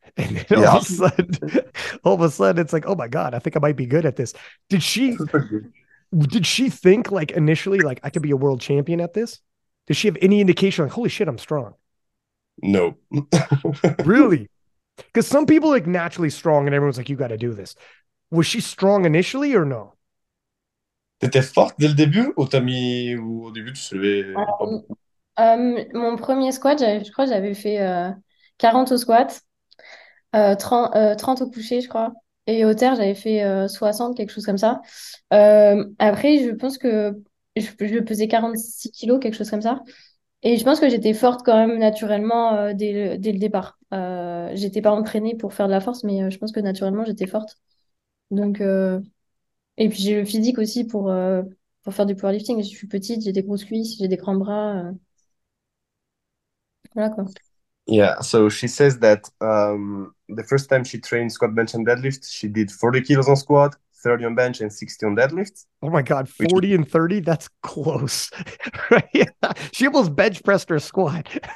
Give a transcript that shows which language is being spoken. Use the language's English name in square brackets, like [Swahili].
[English] And then all of a sudden it's like, oh my God, I think I might be good at this. Did she think like initially, like I could be a world champion at this? Did she have any indication like, holy shit, I'm strong? No. Really? Because some people are like naturally strong and everyone's like, you gotta do this. Was she strong initially or no? [French] T'étais forte dès le début ou t'as mis ou au début tu soulevais pas beaucoup? Mon premier squat, je crois que j'avais fait 40 au squat, 30 au coucher, je crois. Et au terre, j'avais fait 60, quelque chose comme ça. Après, je pense que je pesais 46 kilos, quelque chose comme ça. Et je pense que j'étais forte quand même naturellement dès le départ. J'étais pas entraînée pour faire de la force, mais je pense que naturellement, j'étais forte. Donc, et puis, j'ai le physique aussi pour faire du powerlifting. Je suis petite, j'ai des grosses cuisses, j'ai des grands bras. Voilà quoi. [English] Yeah, so she says that the first time she trained squat, bench, and deadlift, she did 40 kilos on squat, 30 on bench, and 60 on deadlift. Oh my God, Which 40 and 30? That's close. Right? She almost bench pressed her squat.